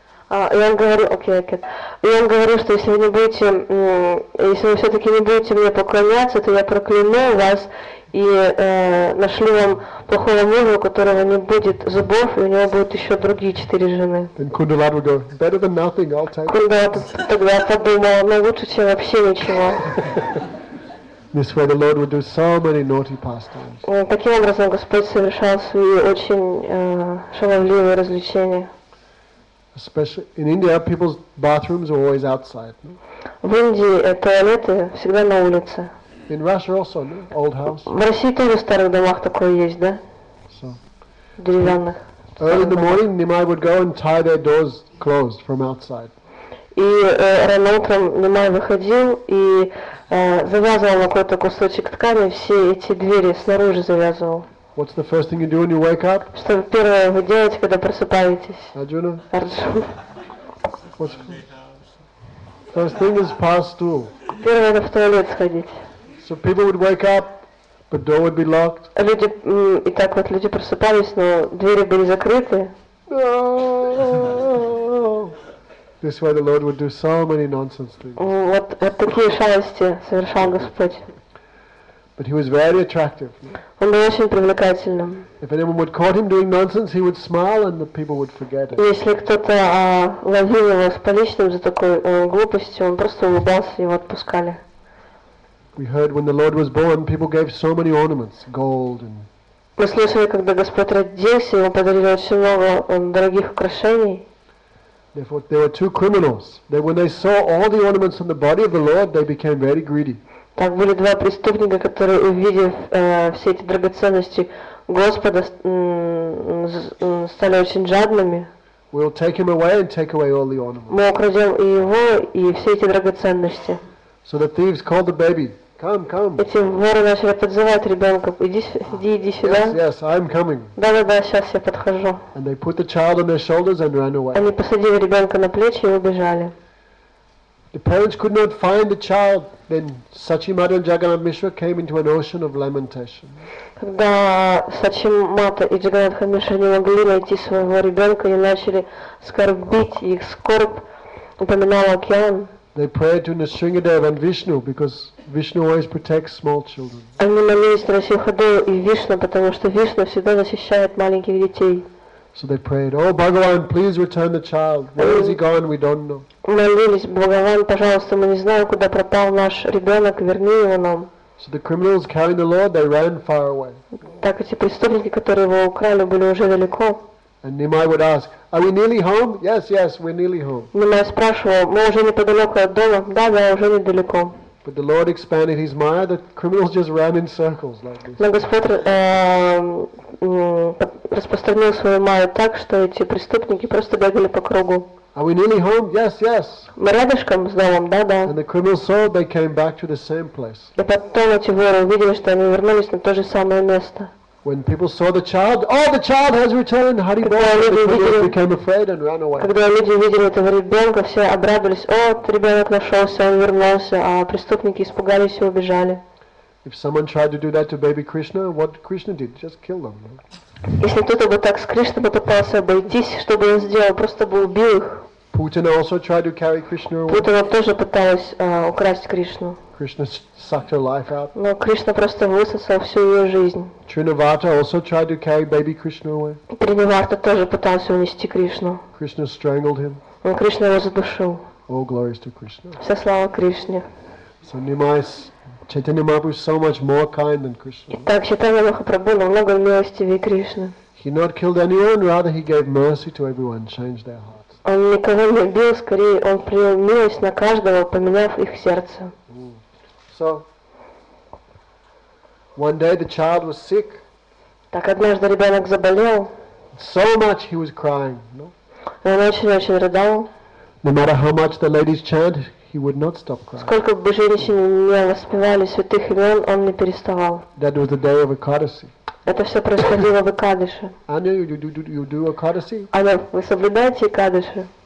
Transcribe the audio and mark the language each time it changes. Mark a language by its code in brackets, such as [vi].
[ru] И он говорил, что если вы все-таки не будете мне поклоняться, то я прокляну вас и нашлю вам плохого мужа, у которого не будет зубов, и у него будут еще другие четыре жены. [en] Кундалат would go, better than nothing, I'll take. [ru] Кундалат тогда подумал, но лучше, чем вообще ничего. [en] This way the Lord would do so many naughty pastimes. [ru] Таким образом Господь совершал свои очень шаловливые развлечения. [en] Especially in India, people's bathrooms are always outside. [ru] В Индии туалеты всегда на улице. [en] In Russia also, no? Old house. [ru] В России тоже в старых домах такое есть, да? [en] So, [ru] деревянных. [en] Early in the morning, Nimai would go and tie their doors closed from outside. [ru] И рано утром Нимай выходил и завязывал какой-то кусочек ткани, все эти двери снаружи завязывал. [en] What's the first thing you do when you wake up? [ru] Что первое вы делаете, когда просыпаетесь? Арджуна. Арджуна. [en] First thing is pass stool. [ru] Первое это в туалет сходить. [en] So people would wake up, the door would be locked. [ru] Люди и так вот люди просыпались, но двери были закрыты. [en] This way the Lord would do so many nonsense things. [ru] Вот такие шалости совершал Господь. [en] But he was very attractive. [ru] Он был очень привлекательным. [en] If anyone would caught him doing nonsense, he would smile and the people would forget it. [ru] Если кто-то ловил его с поличным за такой глупостью, он просто улыбался и его отпускали. [en] We heard when the Lord was born, people gave so many ornaments, gold and. [ru] Мы слышали, когда Господь родился, ему подарили очень много дорогих украшений. [en] Therefore, there were two criminals. They, when they saw all the ornaments on the body of the Lord, they became very greedy. [ru] Так были два преступника, которые увидев все эти драгоценности Господа, стали очень жадными. [en] We'll take him away and take away all the ornaments. [ru] Мы украдем и его, и все эти драгоценности. [en] So the thieves called the baby. Come, come. [ru] Эти воры начали подзывать ребенка. Иди сюда. [en] Yes, I'm coming. [ru] Да, сейчас я подхожу. [en] And they put the child on their shoulders and ran away. [ru] Они посадили ребенка на плечи и убежали. [en] The parents could not find the child. Then Сачимата and Джаганнат Мишра came into an ocean of lamentation. [ru] Когда Сачимата и Джаганнат Мишра не могли найти своего ребенка, они начали скорбить, их скорбь напоминала океан. [en] They prayed to Нрисингхадева and Vishnu because Vishnu always protects small children. [ru] Они молились Нрисингхадеву и Вишну, потому что Вишну всегда защищает маленьких детей. [en] So they prayed, "Oh, Bhagavan, please return the child. Where is he gone? We don't know." [ru] Молились, Бхагаван, пожалуйста, мы не знаем, куда пропал наш ребенок, верни его нам. [en] So the criminals carrying the Lord, they ran far away. [ru] Так эти преступники, которые его украли, были уже далеко. [en] And Nimai would ask, "Are we nearly home?" "Yes, yes, we're nearly home." [ru] Nimai спрашивал, мы уже неподалеку от дома? Да, уже недалеко. [en] But the Lord expanded His mind. The criminals just ran in circles like this. [ru] Но Господь распространил свою маю так, что эти преступники просто бегали по кругу. [en] "Are we nearly home?" "Yes, yes." [ru] Мы рядышком с домом? Да. [en] And the criminals saw they came back to the same place. [ru] И потом эти воры увидели, что они вернулись на то же самое место. [en] When people saw the child, "Oh, the child has returned!" Hari Bol, the criminals became afraid and ran away. [ru] Когда люди видели этого ребенка, все обрадовались. О, ребенок нашелся, он вернулся. А преступники испугались и убежали. [en] If someone tried to do that to baby Krishna, what Krishna did? Just kill them. [ru] Если кто-то бы так с Кришной попытался обойтись, что бы он сделал? Просто бы убил их. [en] Putana also tried to carry Krishna away. [ru] Путина тоже пыталась украсть Кришну. [en] Krishna sucked her life out. [ru] Но Кришна просто высосал всю ее жизнь. [en] Trinivarta also tried to carry baby Krishna away. [ru] Trinivarta тоже пытался унести Кришну. [en] Krishna strangled him. [ru] Но Кришна его задушил. [en] All glories to Krishna. [ru] Вся слава Кришне. [en] So Nimai, Chaitanya Mahaprabhu is so much more kind than Krishna. [ru] Итак, Чайтанья Махапрабху намного милостивее Кришны. [en] He not killed anyone, rather he gave mercy to everyone, changed their heart. [ru] Он никого не убил, скорее он принял милость на каждого, поменяв их сердце. [en] So, one day the child was sick. [ru] Так однажды ребенок заболел. [en] So much he was crying. [ru] Он очень-очень рыдал. [en] No matter how much the ladies chant, he would not stop crying. [ru] Сколько бы женщины не воспевали святых имен, он не переставал. [en] That was the day of Ekadasi. [ru] Это все происходило в Экадыше. [en] Аня, you do Ekadasi? [ru] Аня, вы соблюдаете Экадыши?